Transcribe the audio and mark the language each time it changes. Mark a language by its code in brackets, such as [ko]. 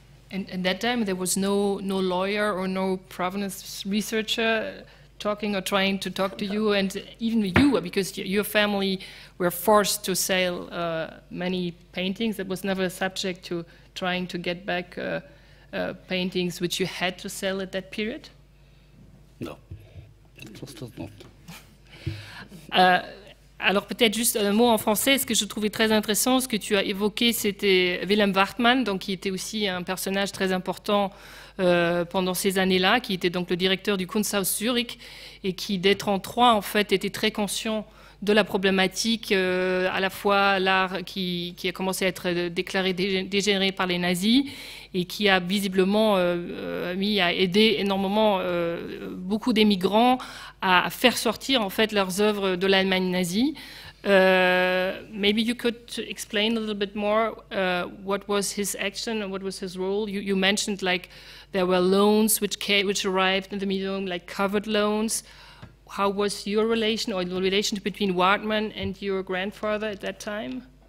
[en] And that time there was no lawyer or no provenance researcher talking or trying to talk to you, and even you, because your family were forced to sell many paintings. It was never a subject to trying to get back paintings which you had to sell at that period? No, it was just not. [fr] Alors peut-être juste un mot en français. Ce que je trouvais très intéressant, ce que tu as évoqué, c'était Wilhelm Wartmann, donc qui était aussi un personnage très important pendant ces années-là, qui était donc le directeur du Kunsthaus Zurich, et qui, dès 1933, en fait, était très conscient de la problématique, à la fois l'art qui a commencé à être déclaré dégénéré par les nazis, et qui a visiblement a aidé énormément beaucoup d'émigrants à faire sortir en fait leurs œuvres de l'Allemagne nazie. [en] Maybe you could explain a little bit more what was his action and what was his role. You mentioned like there were loans which arrived in the museum, like covered loans. How was your relation, or the relation between Wartmann and your grandfather at that time?